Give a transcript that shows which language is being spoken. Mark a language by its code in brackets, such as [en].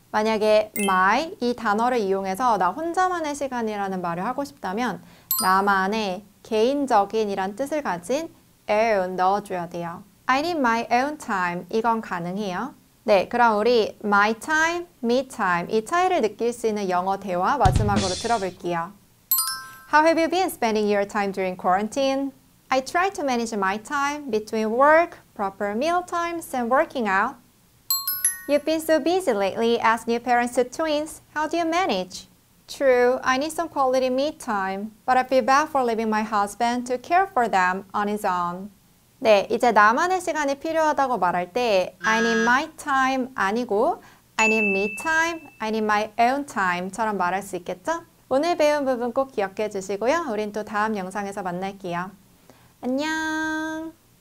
[ko] 만약에 my 이 단어를 이용해서 나 혼자만의 시간이라는 말을 하고 싶다면 나만의 개인적인이란 뜻을 가진 own 넣어줘야 돼요. [en] I need my own time. [ko] 이건 가능해요. 네, 그럼 우리 my time, me time 이 차이를 느낄 수 있는 영어 대화 마지막으로 들어볼게요. [en] How have you been spending your time during quarantine? I try to manage my time between work, proper meal times, and working out. You've been so busy lately as new parents to twins. How do you manage? True, I need some quality me time, but I feel bad for leaving my husband to care for them on his own. [ko] 네, 이제 나만의 시간이 필요하다고 말할 때, [en] I need my time [ko] 아니고, [en] I need me time, I need my own time [ko] 처럼 말할 수 있겠죠? 오늘 배운 부분 꼭 기억해 주시고요. 우린 또 다음 영상에서 만날게요. 안녕!